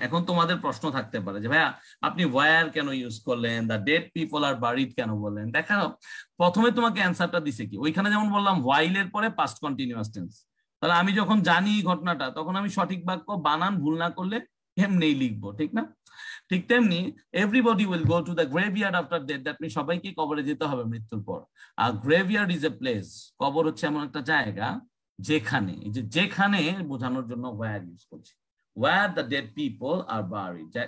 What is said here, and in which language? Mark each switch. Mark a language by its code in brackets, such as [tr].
[bn] এখন তোমাদের প্রশ্ন থাকতে পারে যে ভাইয়া আপনি where কেন ইউজ করলেন, [en] the dead people are buried [bn] কেন বললেন? দেখো প্রথমে তোমাকে অ্যানসারটা দিছে কি, ওইখানে যেমন বললাম while এর পরে past continuous tense. তাহলে আমি যখন জানি ঘটনাটা তখন আমি সঠিক বাক্য বানান ভুল না করলে এমনিই লিখবো, ঠিক না? ঠিক তেমনি [en] everybody will go to the graveyard after death. That means [bn] সবাইকে কবরে যেতে হবে মৃত্যুর পর. [en] A graveyard is a place. [bn] কবর হচ্ছে এমন একটা জায়গা যেখানে, যেখানে বোঝানোর জন্য where ইউজ করছি. [en] Where the dead people are buried.